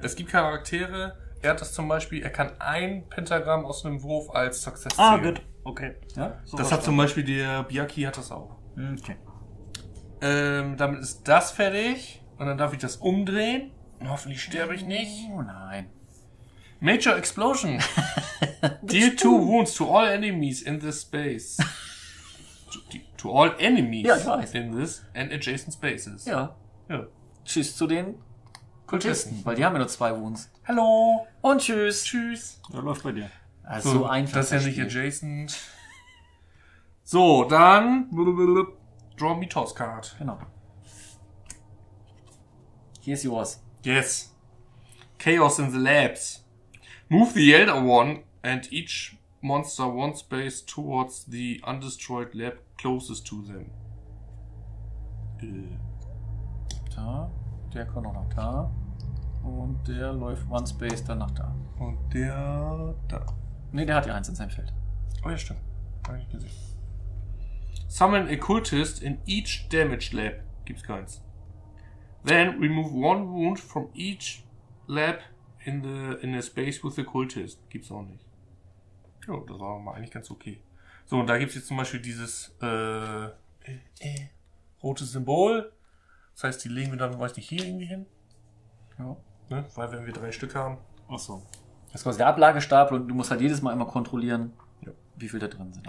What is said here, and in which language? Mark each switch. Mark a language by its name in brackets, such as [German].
[German] Es gibt Charaktere, er hat das zum Beispiel, er kann ein Pentagramm aus einem Wurf als Success zählen. Ah, gut. Okay. Ja, so das hat dann. Zum Beispiel der Biaki hat das auch. Okay. Damit ist das fertig und dann darf ich das umdrehen und hoffentlich sterbe ich nicht. Oh nein. [English] Major Explosion. Deal 2 wounds to all enemies in this space. To all enemies in this and adjacent spaces. [German] Ja. Tschüss zu den Kultisten, weil die haben ja nur 2 Wounds. Hallo. Und tschüss. Tschüss. Was läuft bei dir? Also so einfach. Das ist ja nicht adjacent. So, dann. [English] Draw me toss card. [German] Genau. [English] Here's yours. Yes. Chaos in the labs. Move the Elder One and each monster one space towards the undestroyed lab closest to them. [German] Da, der kommt noch nach da. Und der läuft [English] one space [German] dann nach da. Und der da. Ne, der hat ja eins in seinem Feld. Oh ja, stimmt. Hab ich gesehen. [English] Summon a cultist in each damaged lab. [German] Gibt's keins. [English] Then remove one wound from each lab in the space with the cultist. [German] Gibt's auch nicht. Ja, das war eigentlich ganz okay. So, und da gibt's jetzt zum Beispiel dieses rote Symbol. Das heißt, die legen wir dann, weiß nicht, hier irgendwie hin. Ja. Ne? Weil wenn wir 3 Stück haben. Achso. Das ist quasi der Ablagestapel und du musst halt jedes Mal immer kontrollieren, wie viel da drin sind.